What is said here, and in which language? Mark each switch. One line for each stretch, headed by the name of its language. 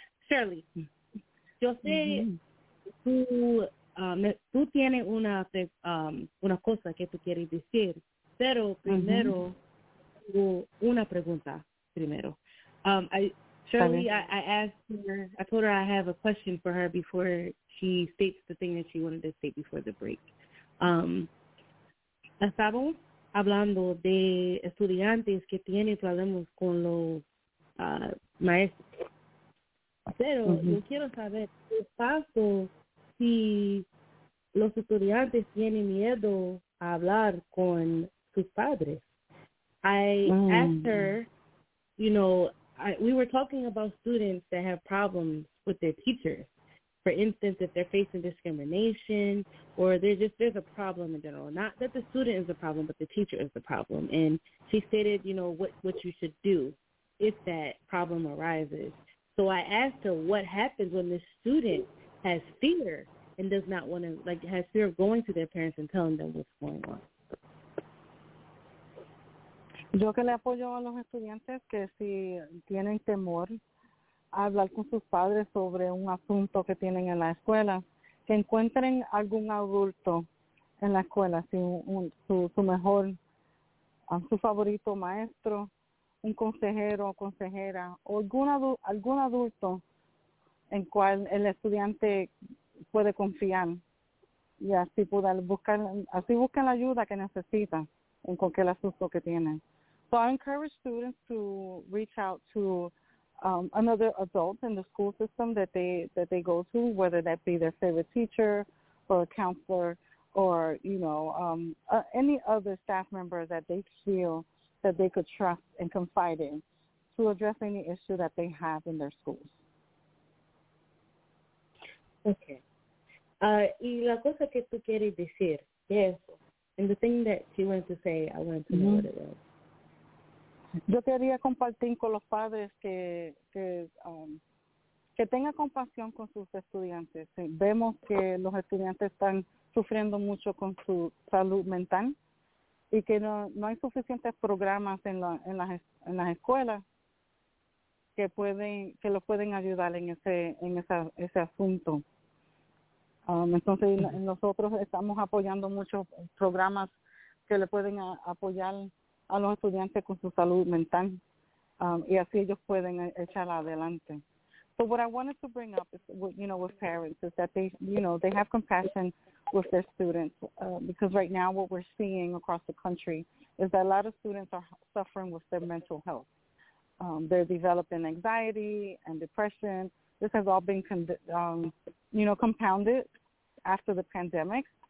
Spanish: Shirley, yo sé tú tienes una cosa que tú quieres decir, pero primero tengo una pregunta primero.
English: I told her I have a question for her before she states the thing that she wanted to state before the break.
Spanish: Estamos hablando de estudiantes que tienen problemas con los maestros. Pero yo quiero saber qué pasa si los estudiantes tienen miedo a hablar con sus padres.
English: I asked her, we were talking about students that have problems with their teachers. For instance, if they're facing discrimination or there's a problem in general. Not that the student is the problem, but the teacher is the problem. And she stated, what you should do if that problem arises. So I asked her what happens when the student has fear and does not want to, has fear of going to their parents and telling them what's going on.
Spanish: Yo que le apoyo a los estudiantes que si tienen temor a hablar con sus padres sobre un asunto que tienen en la escuela, que encuentren algún adulto en la escuela, si su favorito maestro, un consejero o consejera, o algún adulto en cual el estudiante puede confiar y así poder buscar la ayuda que necesita en cualquier asunto que tienen.
English: So I encourage students to reach out to another adult in the school system that they go to, whether that be their favorite teacher or a counselor or, any other staff member that they feel that they could trust and confide in to address any issue that they have in their schools. Okay.
Spanish: Y la cosa que tú quieres decir,
English: yes, and the thing that she wanted to say, I wanted to know what it was.
Spanish: Yo quería compartir con los padres que tenga compasión con sus estudiantes. Vemos que los estudiantes están sufriendo mucho con su salud mental y que no hay suficientes programas en las escuelas que los pueden ayudar en ese asunto. Entonces nosotros estamos apoyando muchos programas que le pueden apoyar a los estudiantes con su salud mental, y así ellos pueden echarla adelante.
English: So what I wanted to bring up is, with parents, is that they have compassion with their students, because right now what we're seeing across the country is that a lot of students are suffering with their mental health. They're developing anxiety and depression. This has all been compounded after the pandemic.